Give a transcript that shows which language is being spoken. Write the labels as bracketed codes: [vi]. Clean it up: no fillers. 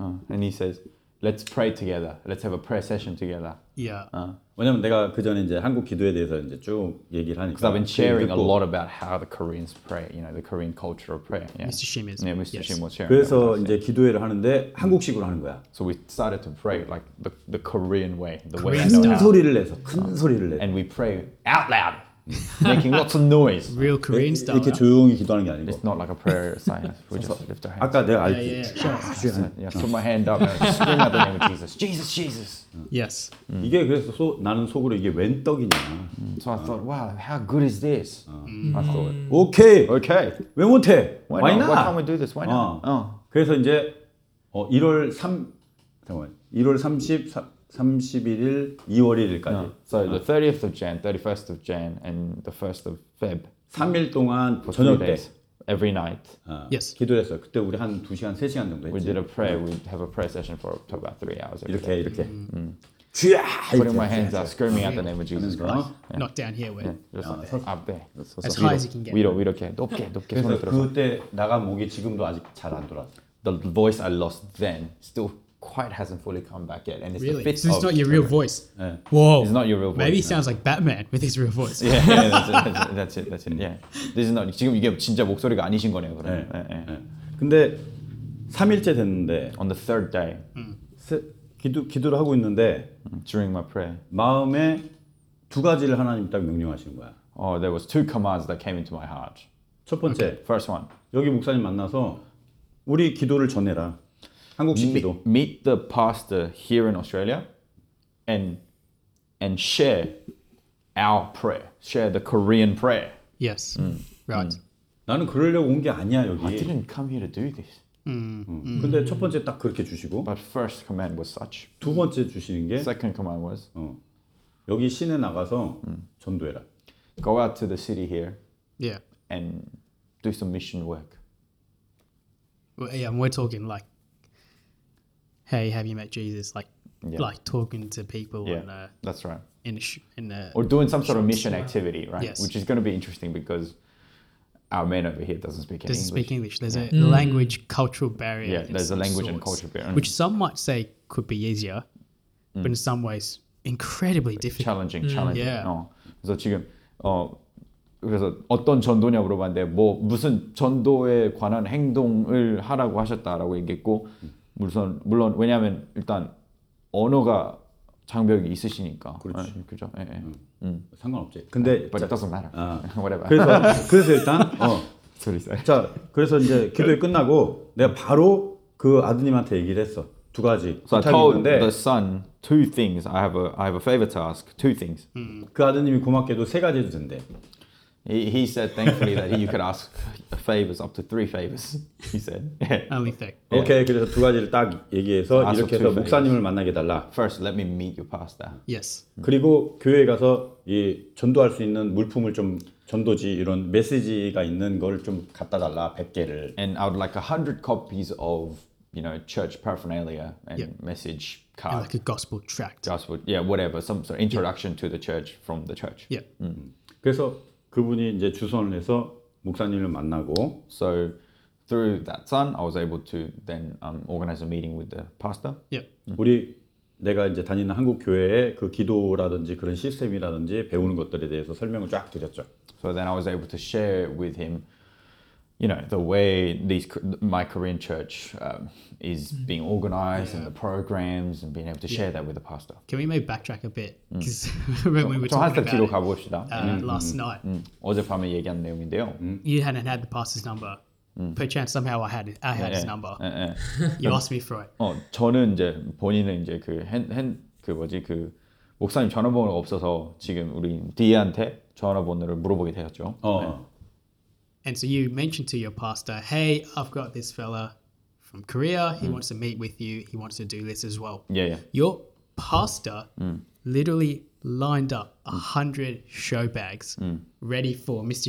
[en] And he says, Let's pray together. Let's have a prayer session together. Yeah. [ko] 왜냐면 내가 그 전에 이제 한국 기도에 대해서 이제 쭉 얘기를 하니까. [en] Because I've been sharing a lot about how the Koreans pray, you know, the Korean culture of prayer. Yeah. Mr. Shim is. Yeah, Mr. Yes. Shim was sharing. [ko] 그래서 이제 기도회를 하는데 한국식으로 하는 거야. [en] So we started to pray like the Korean way. The Korean way. [ko] 큰 소리를 내서. [en] And we pray out loud. making lots of noise. Real Korean style. [ko] 이렇게 조용히 기도하는 게 아니고. [en] It's not like a prayer silence. We just lift our hands. [ko] 아까 내가 알지. [en] Yeah. Put my hand up. Scream out the name of Jesus. Jesus, Jesus. Yes. [ko] 이게 그래서 소 나는 속으로 이게 웬 떡이냐. [en] So I thought, wow, how good is this? I thought, okay, okay. [ko] 왜 못해? [en] Why not? Why can't we do this? Why not? [ko] 그래서 이제 1월 3 잠깐만 1월 30 31일 2월 1일까지. [en] No. So the 30th of Jan, 31st of Jan and the 1st of Feb. [ko] 3일 동안 저녁 때 [en] every night. Yes. [ko] 기도했어요. 그때 우리 한 2시간 3시간 정도 했지. [en] We did a prayer. We have a prayer session for about 3 hours. [ko] 이렇게 [en] day. [ko] 이렇게. [en] Putting my hands up, screaming out the name of Jesus Christ. Not down here where. Yeah. Up there. As high as you can get. [ko] 위로 이렇게 높게 높게 손을 들어. 그때 나간 목이 지금도 아직 잘 안 돌아왔어. [en] The voice I lost then still quite hasn't fully come back yet, and it's really? The fifth. So it's of not your real voice. Yeah. Whoa! It's not your real voice. Maybe he sounds like Batman with his real voice. Yeah, that's it. Yeah, this is not. [ko] 지금 이게 진짜 목소리가 아니신 거네요. 그럼. 예, 예. 근데 3일째 됐는데. [en] On the third day. [ko] 기도를 하고 있는데. [en] During my prayer. [ko] 마음에 두 가지를 하나님 딱 명령하시는 거야. [en] Oh, there was two commands that came into my heart. [ko] 첫 번째. Okay. [en] First one. [ko] 여기 목사님 만나서. 우리 기도를 전해라. 한국식 기도. [en] Meet the pastor here in Australia and share our prayer. Share the Korean prayer. Yes. Right. [ko] 나는 그러려고 온 게 아니야, 여기. [en] I didn't come here to do this. [ko] 근데 첫 번째 딱 그렇게 주시고. [en] But first command was such. [ko] 두 번째 주시는 게 [en] second command was. [ko] 여기 시내 나가서 전도해라. [en] Go out to the city here. Yeah. And do some mission work. Yeah, we're talking like, hey, have you met Jesus? Like, yeah. Like talking to people. Yeah, in a, that's right. In a or doing some sort of mission activity, right? Yes. Which is going to be interesting because our man over here doesn't speak English. Doesn't speak English. There's a language cultural barrier. Yeah, there's a language and cultural barrier. Which some might say could be easier, but in some ways, incredibly difficult. Challenging. Yeah. [ko] 그래서 지금 그래서 어떤 전도냐 물어봤는데 뭐 무슨 전도에 관한 행동을 하라고 하셨다라고 얘기했고 물론 왜냐하면 일단 언어가 장벽이 있으시니까 그렇지 네, 그죠 예예 네, 상관없지 근데 [en] 네, but it doesn't matter whatever [ko] 그래서 일단 [en] sorry. [ko] 자 그래서 이제 기도 끝나고 내가 바로 그 아드님한테 얘기를 했어 두 가지 [en] so I told [ko] 있는데, [en] the son two things I have a favor to ask two things [ko] 그 아드님이 고맙게도 세 가지 해준대 [en] He said, thankfully, that you could ask favors, up to three favors, he said. Only three. Yeah. [ko] Okay, 그래서 두 가지를 딱 얘기해서 [en] ask [ko] 이렇게 해서 목사님을 만나게 달라. [en] First, let me meet your pastor. Yes. [ko] 그리고 교회에 가서 이 전도할 수 있는 물품을 좀 전도지 이런 메시지가 있는 걸 좀 갖다 달라, 100개를. [en] And I would like 100 copies of, you know, church paraphernalia and message card. And like a gospel tract. Gospel, yeah, whatever. Some sort of introduction to the church from the church. Yeah. [ko] 그래서 그분이 이제 주선을 해서 목사님을 만나고 [en] So through that son, I was able to then organize a meeting with the pastor. Yeah. [ko] 우리 내가 이제 다니는 한국 교회의 그 기도라든지 그런 시스템이라든지 배우는 것들에 대해서 설명을 쫙 드렸죠. [en] So then I was able to share with him, you know, the way these my Korean church is being organized and the programs and being able to share that with the pastor. Can we maybe backtrack a bit? Because when we were talking about it, last night. [ko] 어젯밤에 얘기한 내용인데요. [en] You hadn't had the pastor's number. Perchance somehow I had his number. You asked me for it. [ko] 저는 이제 본인은 이제 그 뭐지 그 목사님 전화번호가 없어서 지금 우리 D한테 전화번호를 물어보게 되었죠. [en] And so you mentioned to your pastor, hey, I've got this fella from Korea. He wants to meet with you. He wants to do this as well. Yeah, yeah. Your pastor literally lined up 100 show bags ready for Mr.